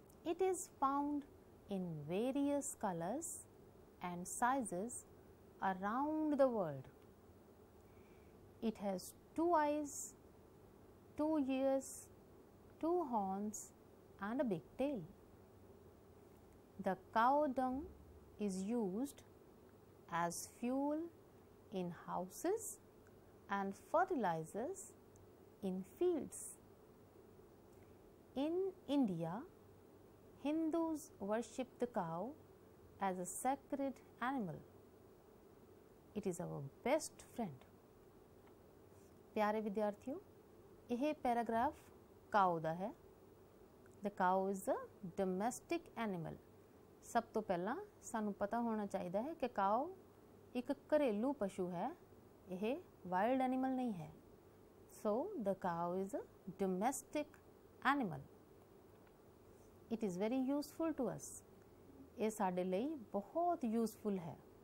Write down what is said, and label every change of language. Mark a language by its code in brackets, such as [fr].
[en] It is found in various colours and sizes around the world. It has two eyes, two ears, two horns and a big tail. The cow dung is used as fuel in houses and fertilizers in fields. In India, Hindus worship the cow as a sacred animal. It is our best friend. [pa] Pyare vidyarthiyo, ehe paragraph cow da hai. [en] The cow is a domestic animal. [pa] ਸਭ ਤੋਂ ਪਹਿਲਾਂ ਸਾਨੂੰ ਪਤਾ ਹੋਣਾ ਚਾਹੀਦਾ ਹੈ ਕਿ cow ਇੱਕ ਘਰੇਲੂ ਪਸ਼ੂ ਹੈ, ਇਹ ਵਾਇਲਡ ਐਨੀਮਲ ਨਹੀਂ ਹੈ। [en] So the cow is a domestic animal. It is very useful to us. [pa] ਇਹ ਸਾਡੇ ਲਈ ਬਹੁਤ ਯੂਜ਼ਫੁਲ ਹੈ।